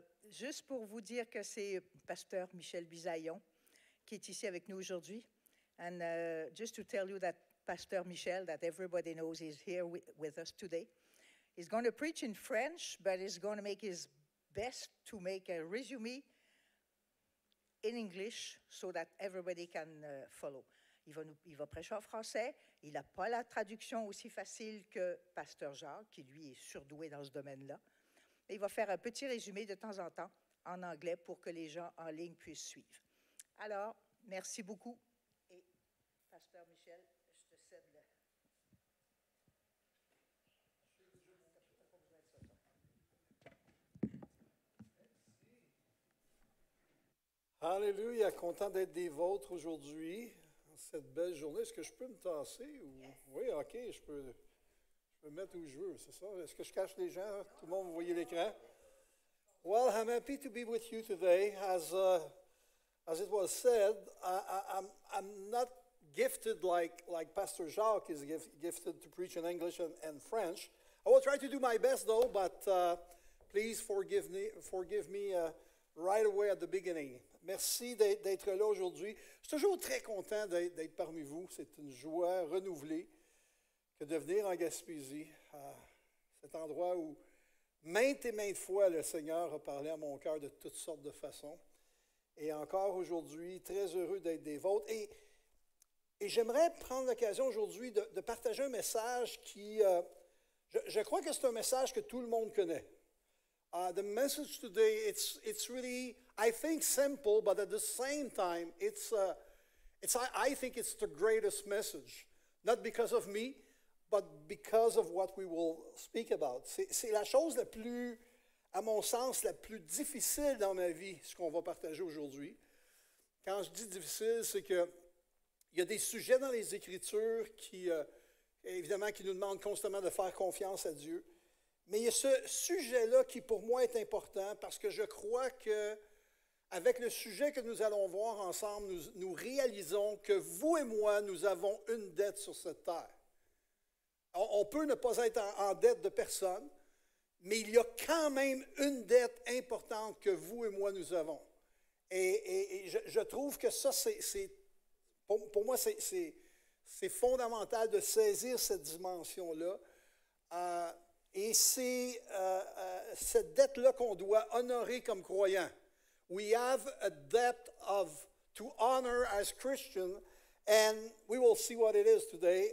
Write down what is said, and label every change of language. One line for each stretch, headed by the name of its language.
French: juste pour vous dire que c'est Pasteur Michel Bisaillon qui est ici avec nous aujourd'hui.
English: And just to tell you that Pasteur Michel, that everybody knows, is here with us today. He's going to preach in French, but he's going to make his best to make a resume in English so that everybody can follow.
French: Il va prêcher en français. Il n'a pas la traduction aussi facile que Pasteur Jacques, qui lui est surdoué dans ce domaine-là. Mais il va faire un petit résumé de temps en temps en anglais pour que les gens en ligne puissent suivre. Alors, merci beaucoup. Et Pasteur Michel, je te cède le... Alléluia, content d'être des vôtres aujourd'hui. Cette belle journée, est-ce que je peux me tasser? Ou...
English: Yes.
French: Oui, OK, je peux me mettre où je veux, c'est ça? Est-ce que je cache les gens? Tout le monde, vous voyez l'écran?
English: Well, I'm happy to be with you today. As it was said, I'm not gifted like Pastor Jacques is gifted to preach in English and French. I will try to do my best, though, but please forgive me right away at the beginning.
French: Merci d'être là aujourd'hui. Je suis toujours très content d'être parmi vous. C'est une joie renouvelée que de venir en Gaspésie, à cet endroit où maintes et maintes fois le Seigneur a parlé à mon cœur de toutes sortes de façons. Et encore aujourd'hui, très heureux d'être des vôtres. Et j'aimerais prendre l'occasion aujourd'hui de partager un message qui, je crois que c'est un message que tout le monde connaît.
English: The message today, it's really, I think, simple, but at the same time, I think it's the greatest message, not because of me, but because of what we will speak about.
French: C'est la chose la plus, à mon sens, la plus difficile dans ma vie, ce qu'on va partager aujourd'hui. Quand je dis difficile, c'est que il y a des sujets dans les Écritures qui, évidemment, qui nous demandent constamment de faire confiance à Dieu. Mais il y a ce sujet-là qui, pour moi, est important parce que je crois que, avec le sujet que nous allons voir ensemble, nous réalisons que vous et moi, nous avons une dette sur cette terre. On peut ne pas être en dette de personne, mais il y a quand même une dette importante que vous et moi, nous avons. Et je trouve que ça, pour moi, c'est fondamental de saisir cette dimension-là. Et c'est cette dette-là qu'on doit honorer comme croyant.
English: We have a debt to honor as Christian, and we will see what it is today.